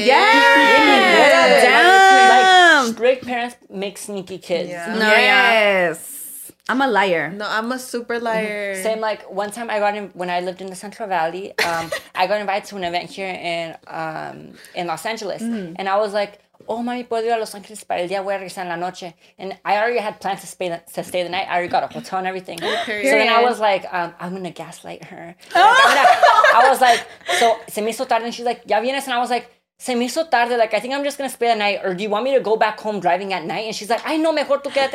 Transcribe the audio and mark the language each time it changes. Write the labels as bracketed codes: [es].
[en] Yes. Damn. Like, strict parents make sneaky kids. Yeah. No, yes. Yeah. I'm a liar. No, I'm a super liar. Same, like, one time when I lived in the Central Valley, I got invited to an event here in Los Angeles. Mm. And I was like, oh, [es] mami, puedo ir a Los Angeles para el día, voy a regresar en la noche. [en] And I already had plans to stay the night. I already got a hotel and everything. So then I was like, I'm going to gaslight her. I was like, [es] so se me hizo tarde. [en] And she's like, [es] ya vienes? [en] And I was like, [es] se me hizo tarde. [en] Like, I think I'm just going to stay the night. Or do you want me to go back home driving at night? And she's like, [es] ay, no, mejor tú quédate.